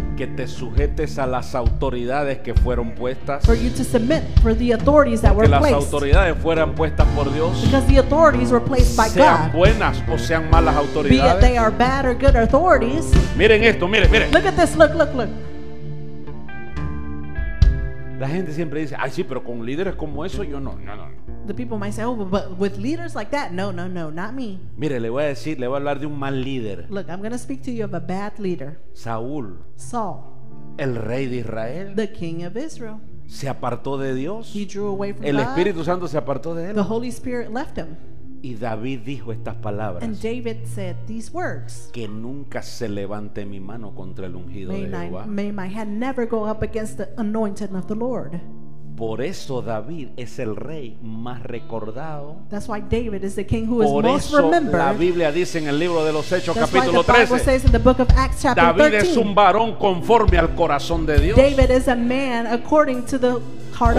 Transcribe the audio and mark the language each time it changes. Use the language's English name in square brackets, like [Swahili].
[Spanish] que te sujetes a las autoridades que fueron puestas, [English] for you to submit for the authorities that were placed, [Spanish] que las autoridades fueran puestas por Dios, [English] because the authorities were placed by [Spanish] sean sean buenas o sean malas autoridades, [English] be it they are bad or good authorities. [Spanish] Miren esto, miren, miren. [English] Look at this, look, look, look. [Spanish] La gente siempre dice, ay sí, pero con líderes como eso yo no, no, no. [English] The people might say, oh, but with leaders like that, no, no, no, not me. [Spanish] Mire, le voy a decir, le voy a hablar de un mal líder. [English] Look, I'm going to speak to you of a bad leader. [Spanish] Saúl. [English] Saul. [Spanish] El rey de Israel. [English] The king of Israel. [Spanish] Se apartó de Dios. [English] He drew away from [Spanish] God. El Espíritu Santo se apartó de él. [English] The Holy Spirit left him. [Spanish] Y David dijo estas palabras. [English] And David said these words. [Spanish] Que nunca se levante mi mano contra el ungido de Jehová. [English] May my hand never go up against the anointed of the Lord. [Spanish] Por eso David es el rey más recordado. [English] That's why David is the king who [Spanish] por [English] is most remembered. [Spanish] La Biblia dice en el libro de los Hechos. [English] That's [Spanish] capítulo 13. [English] Bible says in the book of Acts chapter 13. [Spanish] David es un varón conforme al corazón de Dios. [English] David is a man according to the heart of God.